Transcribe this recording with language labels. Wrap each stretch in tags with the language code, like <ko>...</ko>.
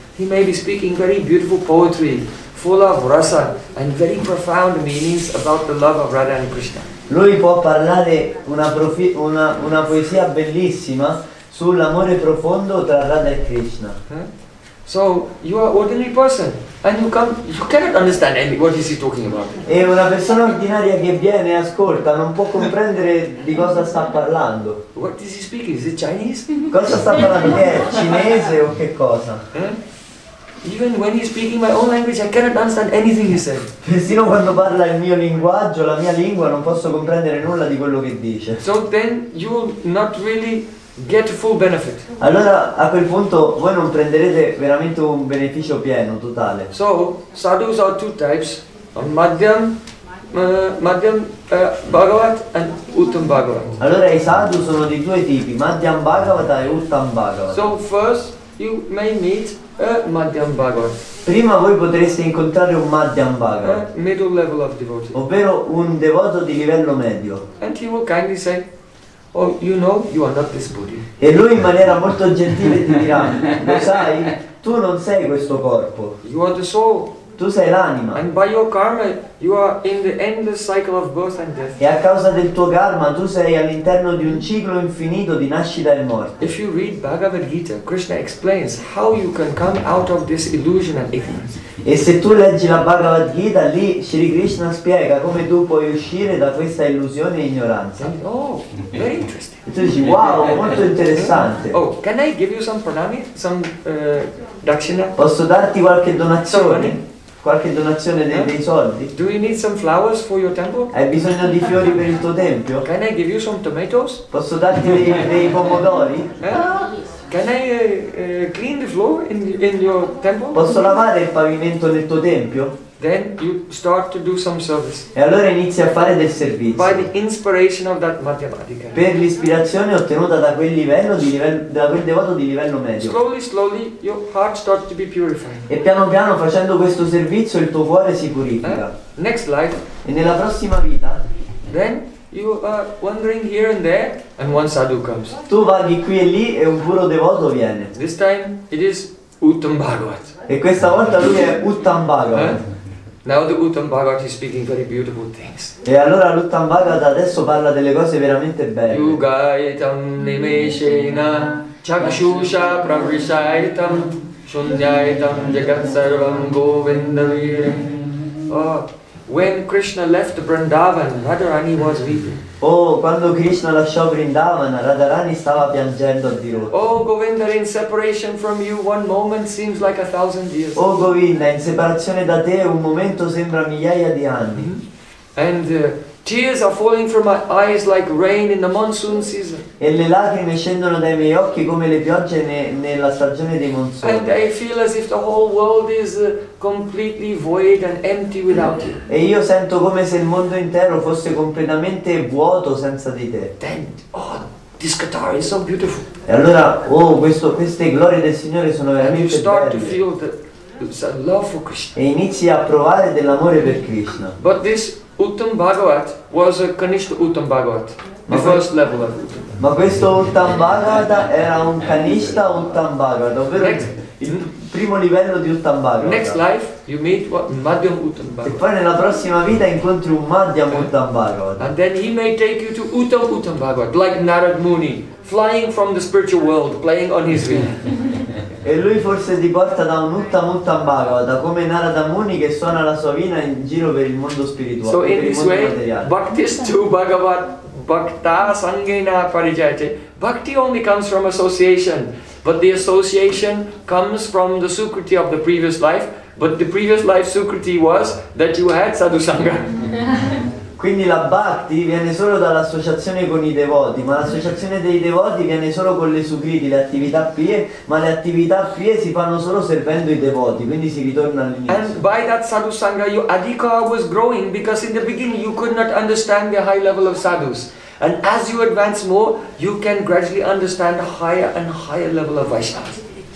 <en>He may be speaking very beautiful poetry full of rasa and very profound meanings about the love of Radha and Krishna.</en> <it>Lui può parlare una poesia bellissima sull'amore profondo tra Radha e Krishna.</it> <en>So you are ordinary person and you cannot understand what is he talking about.</en> <it>E una persona ordinaria che viene e ascolta non può comprendere di cosa sta parlando.</it> <en>What is he speaking? Is it Chinese?</en> <it>Cosa sta parlando? È cinese o che cosa?</it> <en>Even when he's speaking my own language, I cannot understand anything he said.</en> <it>Persino quando parla il mio linguaggio, la mia lingua, non posso comprendere nulla di quello che dice.</it> <en>So then you will not really get full benefit.</en> <it>Allora a quel punto voi non prenderete veramente un beneficio pieno, totale.</it> <en>So, sadhus are two types, madhyam, madhyam Bhagavat and Uttam Bhagavat.</en> <it>Allora i sadhu sono di due tipi, Madhyam Bhagavat e Uttam Bhagavat.</it> <en>So first you may meet a Madhyam Bhagavat.</en> <it>Prima voi potreste incontrare un Madhyam Bhagavat,</it> <en>middle level of devotee,</en> <it>ovvero un devoto di livello medio.</it> <en>And he will kindly say, oh, you know, you are not this body.</en> <it>E lui in maniera molto gentile ti dirà, lo sai, tu non sei questo corpo.</it> <en>You are the soul.</en> <it>Tu sei l'anima.</it> <en>And by your karma, you are in the endless cycle of birth and death.</en> <it>E a causa del tuo karma, tu sei all'interno di un ciclo infinito di nascita e morte.</it> <en>If you read Bhagavad Gita, Krishna explains how you can come out of this illusion and ignorance.</en> <it>E se tu leggi la Bhagavad Gita, lì Sri Krishna spiega come tu puoi uscire da questa illusione e ignoranza.</it> <en>Oh, very interesting.</en> <it>E tu dici, wow, molto interessante.</it> <en>Oh, can I give you some pranami? Some dakshina?</en> <it>Posso darti qualche donazione? Qualche donazione dei soldi?</it> <en>Do you need some flowers for your temple?</en> <it>Hai bisogno di fiori per il tuo tempio?</it> <en>Can I give you some tomatoes?</en> <it>Posso darti dei pomodori?</it> <en>Can I clean the floor in your temple?</en> <it>Posso lavare il pavimento nel tuo tempio?</it> <en>Then you start to do some service.</en> <it>E allora inizi a fare del servizio.</it> <en>By the inspiration of that matematica.</en> <it>Per l'ispirazione ottenuta da quel livello di da quel devoto di livello medio.</it> <en>Slowly your heart starts to be purified.</en> <it>E piano piano facendo questo servizio il tuo cuore si purifica.</it> <en>Next life.</en> <it>E nella prossima vita.</it> <en>Then you are wandering here and there, and one sadhu comes.</en> <it>Tu vaghi qui e lì e un puro devoto viene.</it> <en>This time it is Uttam Bhagavat.</en> <it>E questa volta lui è Uttam Bhagavat.</it> <en>Now the Uttam Bhagavat is speaking very beautiful things.</en> <it>E allora l'Uttam Bhagavat adesso parla delle cose veramente belle.</it> <sa>Yugayetam nimeshena chakshusha pravrishayetam shunyayetam jagatsarvam govindavire.</sa> <en>When Krishna left Vrindavan, Radharani was weeping.</en> <it>Oh, quando Krishna lasciò Vrindavan, Radharani stava piangendo a dirotto.</it> <en>Oh, Govinda, in separation from you, one moment seems like a thousand years.</en> <it>Oh, Govinda, in separazione da te, un momento sembra migliaia di anni.</it> <en>And tears are falling from my eyes like rain in the monsoon season.</en> <it>E le lacrime scendono dai miei occhi come le piogge nella stagione dei monsoni.</it> <en>And I feel as if the whole world is completely void and empty without you.</en> <it>E io sento come se il mondo intero fosse completamente vuoto senza di te.</it> <en>Then, oh, this guitar is so beautiful.</en> <it>E allora, oh, queste glorie del Signore sono veramente belle.</it> <en>You start to feel the love for Krishna.</en> <it>E inizi a provare dell'amore per Krishna.</it> <en>But this Uttam Bhagavat was a Kanishta Uttam Bhagavat, the first level of Uttam.</en> <it>Ma questo Uttam Bhagavat era un Kanishta Uttam Bhagavat, ovvero il primo livello di Uttam Bhagavat.</it> <en>Next life, you meet Madhyam Uttam Bhagavat.</en> <it>E poi nella prossima vita incontri un Madhyam Uttam Bhagavat.</it> <en>And then he may take you to Uttam Uttam Bhagavat, like Narad Muni, flying from the spiritual world, playing on his wing.</en> <it>E lui forse ti porta da un Uttam Uttam Bhagavat, da come Narada Muni che suona la sua vina in giro per il mondo spirituale,</it> <en>so</en> <it>per il mondo</it> <en>way,</en> <it>materiale.</it> <sa>Bhaktis tu Bhagavat Bhakta Sangena Parijayate.</sa> <en>Bhakti only comes from association, but the association comes from the Sukriti of the previous life, but the previous life Sukriti was that you had Sadhu Sangha.</en> <it>Quindi la bhakti viene solo dall'associazione con i devoti, ma l'associazione dei devoti viene solo con le sukriti, le attività pie, ma le attività pie si fanno solo servendo i devoti, quindi si ritorna all'inizio.</it> <en>And by that sadhu sangha your adhika was growing, because in the beginning you could not understand the high level of sadhus. And as you advance more, you can gradually understand a higher and higher level of vaishnavas.</en>